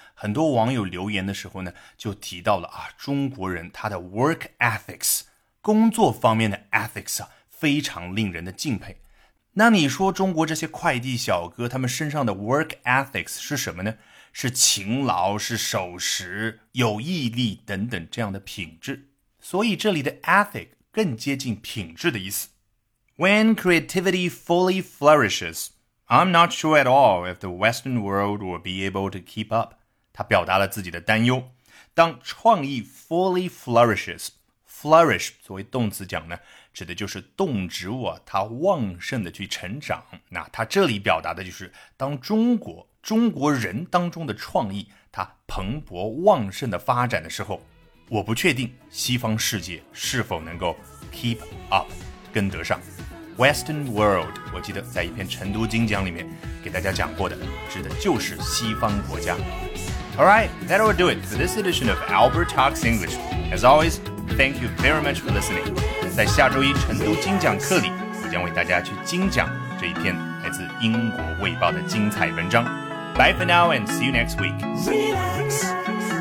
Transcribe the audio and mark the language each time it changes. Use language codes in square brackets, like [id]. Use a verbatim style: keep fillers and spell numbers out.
[zh] 很多网友留言的时候呢就提到了啊，中国人他的 work ethics， 工作方面的 ethics 啊，非常令人的敬佩。那你说中国这些快递小哥他们身上的 work ethics 是什么呢？是勤劳，是守时，有毅力等等这样的品质。所以这里的 ethic 更接近品质的意思。 [en] When creativity fully flourishes, I'm not sure at all if the Western world will be able to keep up. [zh] 他表达了自己的担忧。当创意 [en] fully flourishes， [zh] flourish 作为动词讲呢，指的就是动植物啊，它旺盛的去成长。那它这里表达的就是当中国中国人当中的创意它蓬勃旺盛的发展的时候，我不确定西方世界是否能够 keep up 跟得上。 Western world 我记得在一篇成都精讲里面给大家讲过的，指的就是西方国家。 [en] Alright, that will do it for this edition of Albert Talks English. As always,Thank you very much for listening. [zh] 在下周一成都精讲课里，我将为大家去精讲这一篇来自英国卫报的精彩文章。 [en] Bye for now and see you next week.